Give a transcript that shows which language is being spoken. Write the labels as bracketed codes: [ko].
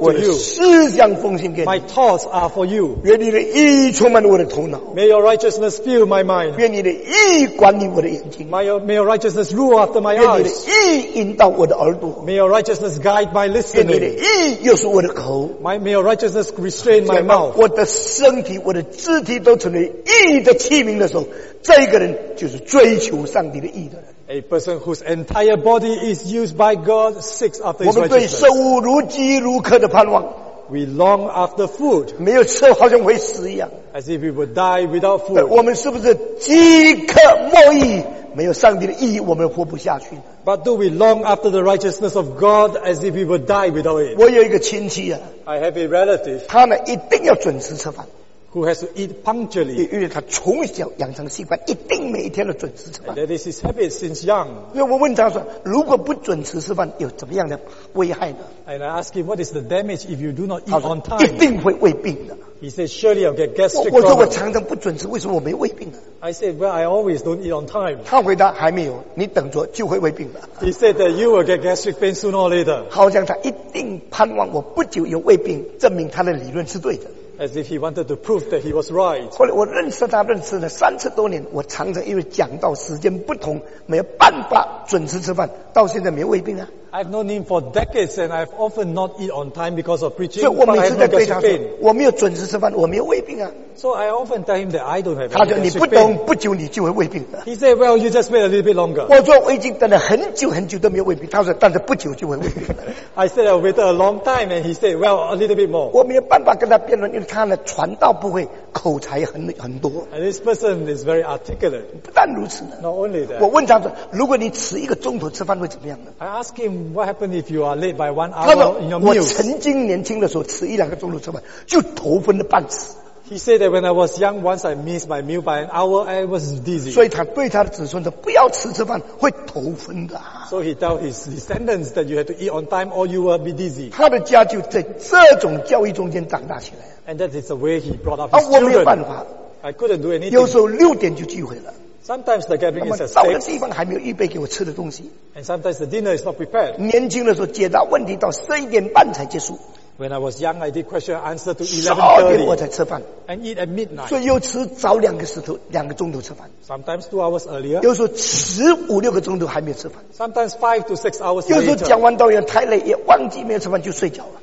[zh] 我的思想奉献给你, [en] to you. My thoughts are for you. [zh] 愿你的意充满我的头脑, [en] may your righteousness fill my mind. [zh] 愿你的意管理我的眼睛, [en] may your righteousness rule after my eyes. [zh] 愿你的意引导我的耳朵, [en] may your righteousness guide my listening. [zh] 愿你的意又是我的口, [en] may your righteousness restrain my mouth. [zh] 我的身体我的肢体都成为义的器皿的时候, 这一个人就是追求上帝的义的人。 [en] A person whose entire body is used by God seeks after his righteousness. [zh] 我们对食物如饥如渴的盼望。 [en] We long after food. [zh] 没有吃好像会死一样。 [en] As if we would die without food. [zh] 我们是不是饥渴莫义, 没有上帝的义, 我们活不下去。 [en] But do we long after the righteousness of God as if we would die without it? [zh] 我有一个亲戚啊, [en] I have a relative. [zh] 他们一定要准时吃饭。 [en] Who has to eat punctually. [zh] 因为他从小养成习惯, 一定每天都准时吃饭。 [en] And that is his habit since young. [zh] 因为我问他说, 如果不准时吃饭, 有怎么样的危害呢? [en] And I ask him, what is the damage if you do not eat on time? [zh] 一定会胃病的。 [en] He said, surely I'll get gastric problems. [zh] 我说我常常不准时, 为什么我没胃病呢? [en] I said, well, I always don't eat on time. [zh] 他回答, 还没有, 你等着, 就会胃病了。 [en] He said that you will get gastric pain sooner or later. [zh] 好像他一定盼望我不久有胃病, 证明他的理论是对的。 [en] As if he wanted to prove that he was right. [zh] 后来我认识他认识了三次多年, 我常常因为讲到时间不同, 没有办法准时吃饭, 到现在没有胃病啊。 [en] I've known him for decades and I've often not eat on time because of preaching. [zh] 所以我每次在对他说, 我没有准时吃饭, 我没有胃病啊。 [en] So I often tell him that I don't have any [zh] 他说, 你不懂, 不久你就会胃病了。 [en] He said, well, you just wait a little bit longer. [zh] 我说我已经等了很久很久都没有胃病, 他说, 但是不久就会胃病了。 [en] I said, I waited a long time and he said, well, a little bit more. [zh] 我没有办法跟他辩论, 因为他的传道不会, 口才很多。 [en] And this person is very articulate. [zh] 不但如此, [en] not only that. [zh] 我问他说, 如果你迟一个钟头吃饭会怎么样呢? [en] I asked him, what happened if you are late by 1 hour in your meals? [zh] 我曾经年轻的时候迟一两个钟头吃饭, 就头昏了半死。 [en] He said that when I was young, once I missed my meal by 1 hour, I was dizzy. [zh] 所以他对他的子孙说, 不要迟吃饭, 会头昏的。 [en] So he told his descendants that you had to eat on time or you will be dizzy. [zh] 他的家就在这种教育中间长大起来。 [en] And that is the way he brought up his children. [zh] 我没有办法。 [en] I couldn't do anything. [zh] 有时候六点就聚会了。 [en] Sometimes the gathering is [zh] at 到了地方还没有预备给我吃的东西。 [en] And sometimes the dinner is not prepared. [zh] 年轻的时候解答问题到11点半才结束。 [en] When I was young, I did question and answer to 11:30 and eat at midnight. [zh] 所以又迟早两个时头，两个钟头吃饭。 [en] Sometimes 2 hours earlier. [zh] 有时候迟5-6个钟头还没有吃饭。 [en] Sometimes 5-6 hours later. [zh] 有时候讲完道员太累，也忘记没有吃饭就睡觉了。